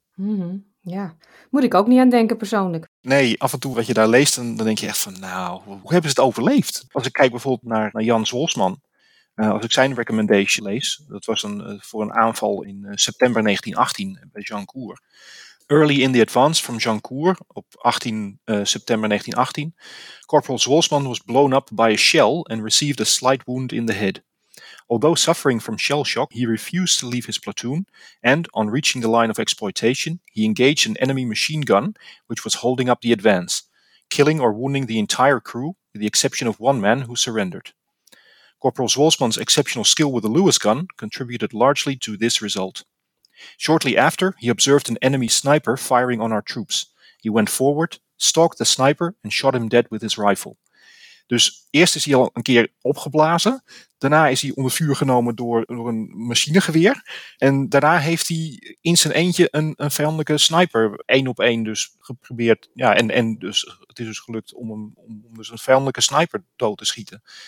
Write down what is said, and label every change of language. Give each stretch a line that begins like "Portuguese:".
Dutch: Mm-hmm. Ja, moet ik ook niet aan denken persoonlijk. Nee, af en toe wat je daar leest, dan denk je echt van nou, hoe hebben ze het overleefd? Als ik kijk bijvoorbeeld naar Jan Zolsman, als ik zijn recommendation lees, dat was voor een aanval in september 1918 bij Jeancourt.
English: Early in the advance from Jeancourt
Dutch: op 18 september 1918,
English: Corporal Zolsman was blown up by a shell and received a slight wound in the head. Although suffering from shell shock, he refused to leave his platoon and, on reaching the line of exploitation, he engaged an enemy machine gun which was holding up the advance, killing or wounding the entire crew with the exception of one man who surrendered. Corporal Zwolsman's exceptional skill with the Lewis gun contributed largely to this result. Shortly after, he observed an enemy sniper firing on our troops. He went forward, stalked the sniper and shot him dead with his rifle.
Dutch: Dus eerst is hij al een keer opgeblazen. Daarna is hij onder vuur genomen door een machinegeweer. En daarna heeft hij in zijn eentje een vijandelijke sniper één op één dus geprobeerd. Ja, en dus het is dus gelukt om dus een vijandelijke sniper dood te schieten.